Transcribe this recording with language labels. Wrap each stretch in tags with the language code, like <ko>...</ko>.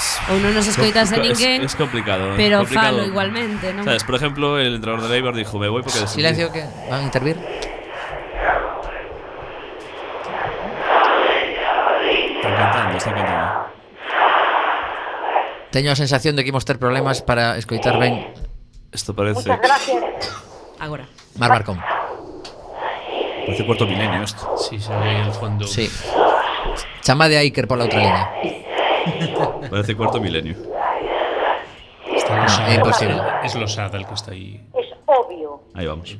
<gl>Ou non nos escoitas a ninguén.</gl> <es>Es complicado, pero es complicado.</es> <gl>Falo igualmente, ¿no? Sabes, por exemplo,</gl> <es>el entrenador de Eibar dijo: "Me voy porque descendí".</es> <gl>Silencio, que van a intervir. Están cantando, están cantando. Teño a sensación de que imos ter problemas para escoitar ben.</gl> <es>Esto parece... Muchas gracias.</es> <gl>Agora. Mar Barcón.</gl> <es>Parece cuarto milenio esto. Sí, se ve en el fondo. Sí.</es> <gl>Chama</gl> <es>de Iker por la otra línea. Parece cuarto milenio. Está no, es imposible. Es Losada el que está ahí. Es obvio. Ahí vamos.</es>